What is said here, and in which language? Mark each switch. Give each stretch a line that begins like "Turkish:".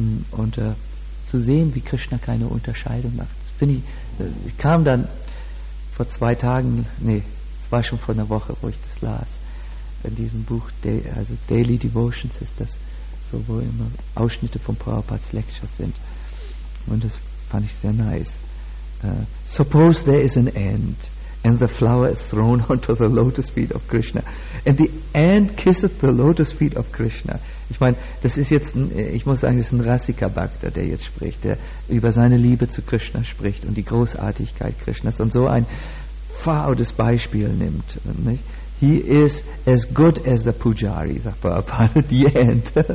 German: Und zu sehen, wie Krishna keine Unterscheidung macht. Ich kam dann vor zwei Tagen, es war schon vor einer Woche, wo ich das las, in diesem Buch, also Daily Devotions ist das, so wo immer Ausschnitte von Prabhupada's Lectures sind. Und das fand ich sehr nice.
English: Suppose there is an ant, and the flower is thrown onto the lotus feet of Krishna, and the ant kisses the lotus feet of Krishna.
German: Ich meine, das ist jetzt, das ist ein Rassika-Bhakta, der jetzt spricht, der über seine Liebe zu Krishna spricht und die Großartigkeit Krishnas und so ein faules Beispiel nimmt. Nicht?
English: He is as good as the pujari,
German: sagt Prabhupada,
English: the ant.